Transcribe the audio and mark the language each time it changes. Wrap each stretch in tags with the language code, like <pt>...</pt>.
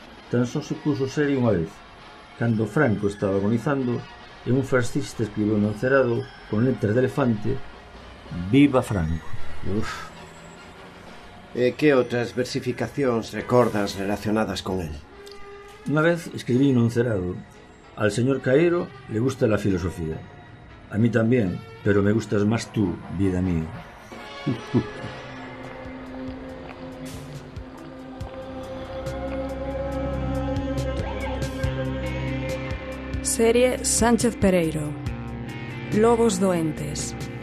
<gl>Tan só se puso serio unha vez, cando Franco estaba agonizando e un fascista escribiu no encerado con letras de elefante: Viva Franco. Uf. E que outras versificacións recordas relacionadas con él? Unha vez escribí no encerado:</gl> <es>al señor Caeiro le gusta la filosofía.</es> <gl>A mí tamén, pero me gustas máis tú, vida mía. Serie Sánchez Pereiro, Lobos Doentes.</gl>